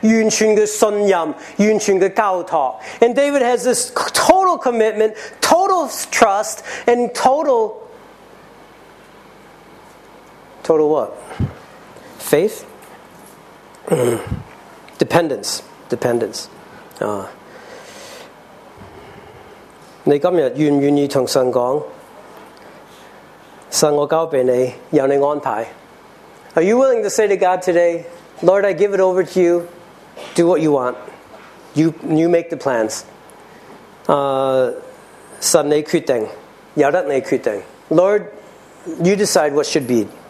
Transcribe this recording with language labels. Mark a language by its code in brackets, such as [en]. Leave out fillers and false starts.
[zh] 是表示完全的投降，完全的信任，完全的交托。 [en] And David has this total commitment, total trust, and total... Total what? Faith? Dependence. Dependence. [zh] 你今天愿不愿意跟神说， 神，我交俾你，有你安排。 [en] Are you willing to say to God today, Lord, I give it over to you. Do what you want. You make the plans. [zh] 神，你决定，由得你决定。 [en] Lord, you decide what should be.